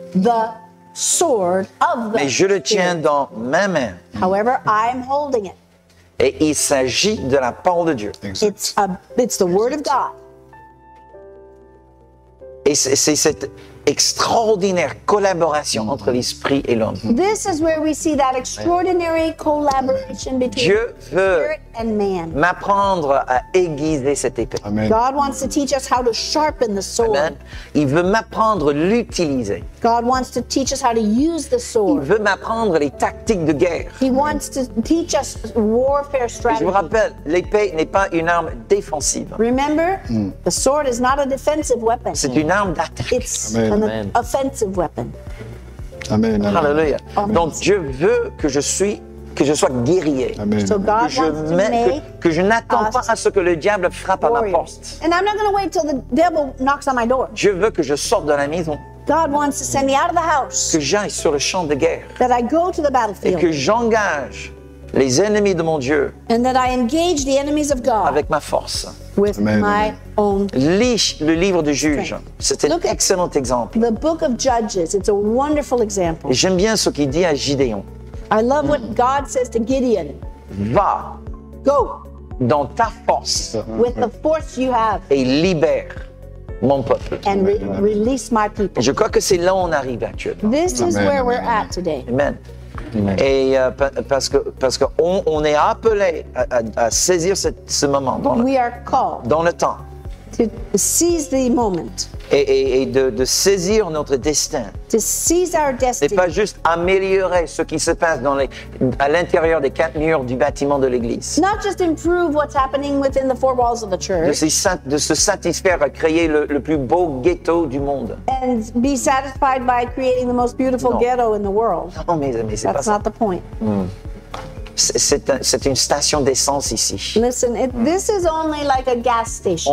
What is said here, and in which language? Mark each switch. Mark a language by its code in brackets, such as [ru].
[en] The sword of the. [fr] Mais je le tiens dans ma main. [en] However, I'm holding it. [fr] Et il s'agit de la parole de Dieu. [en] Exactly. It's the word of God. [fr] Et c'est cette extraordinaire collaboration entre l'esprit et l'homme. [en] This is where we see that extraordinary collaboration between [fr] Dieu veut [en] spirit and man. [fr] M'apprendre à aiguiser cette épée. Amen. [en] God wants to teach us how to sharpen the sword. [fr] Amen. Il veut m'apprendre l'utiliser. [en] God wants to teach us how to use the sword. [fr] Il veut m'apprendre les tactiques de guerre. [en] He wants to teach us warfare strategy. [fr] Je vous rappelle, l'épée n'est pas une arme défensive. [en] Remember, the sword is not a defensive weapon. [fr] C'est une arme d'attaque. [en] It's an offensive weapon. Amen. [fr] Hallelujah. Donc Dieu veut que je sois guerrier. Amen. [en] So God [fr] que je n'attends pas à ce que le diable frappe [en] warriors. [fr] À ma porte. [en] And I'm not going to wait till the devil knocks on my door. [fr] Dieu veut que je sorte de la maison. [en] God wants to send me out of the house. [fr] Que j'aille sur le champ de guerre. [en] That I go to the battlefield. [fr] Et que j'engage les ennemis de mon Dieu. [en] And that I engage the enemies of God. [fr] Avec ma force. [en] With Amen, my Amen. Own. [fr] Lis le livre du juge. C'est un excellent exemple. [en] The book of Judges. It's a wonderful example. [fr] J'aime bien ce qu'il dit à Gideon. [en] I love what God says to Gideon. [fr] Va. [en] Go. [fr] Dans ta force. [en] With the force you have. [fr] Et libère. Mon peuple. [en] And release my people. [fr] Je crois que c'est là où on arrive actuellement. [en] This Amen. Is where we're at today. Amen. [fr] Et parce qu'on est appelé à saisir ce moment dans le temps. [en] To seize the moment. [fr] Et de saisir notre destin. [en] To seize our destiny. [fr] Et pas juste améliorer ce qui se passe à l'intérieur des quatre murs du bâtiment de l'église. [en] Not just improve what's happening within the four walls of the church. [fr] De se satisfaire à créer le plus beau ghetto du monde. [en] And be satisfied by creating the most beautiful ghetto in the world. [fr] Non, mes amis, c'est pas ça. [en] That's not the point. [fr] C'est une station d'essence ici. [en] Listen, this is only like a gas station.